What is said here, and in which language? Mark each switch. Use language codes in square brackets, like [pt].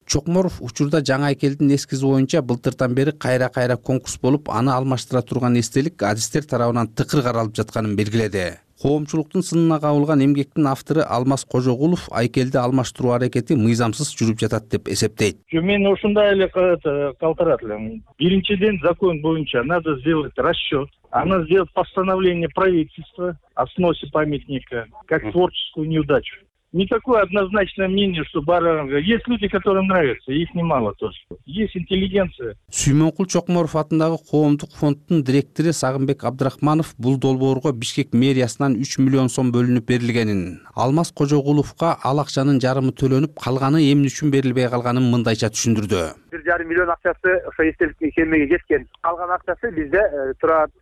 [ky] Чокморов учурда жаңы Айкелдин эскизи боюнча былтырдан бери кайра кайра конкурс болуп, аны алмаштыра турган эстелик адистер тарабынан тыкыр каралып жатканын белгиледи. Коомчулуктун сынына кабылган эмгектин автору Алмаз Кожогулов Айкелди алмаштыруу аракети мыйзамсыз жүрүп жатат деп эсептейт. Мен ушундай эле калтырат элем. Биринчиден закон боюнча [ru] надо сделать расчет, надо сделать постановление правительства о сносе памятника как творческую неудачу. никакое однозначное мнение, что [ky] барыга. [ru] Есть люди, которым нравится, их немало тоже. Есть интеллигенция. [ky] Сүймөнкул Чокморов атындагы коомдук фонддун директору Сагынбек Абдрахманов бул долбоорго Бишкек мэриясынан 3 миллион сом бөлүнүп берилгенин, Алмаз Кожогуловко ал акчанын жарымы төлөнүп, калганы эмне үчүн берилбей калганын мындайча түшүндүрдү. 1.5 миллион акчасы ошо эстелик мекемеге кеткен. Калган акчасы бизде турат.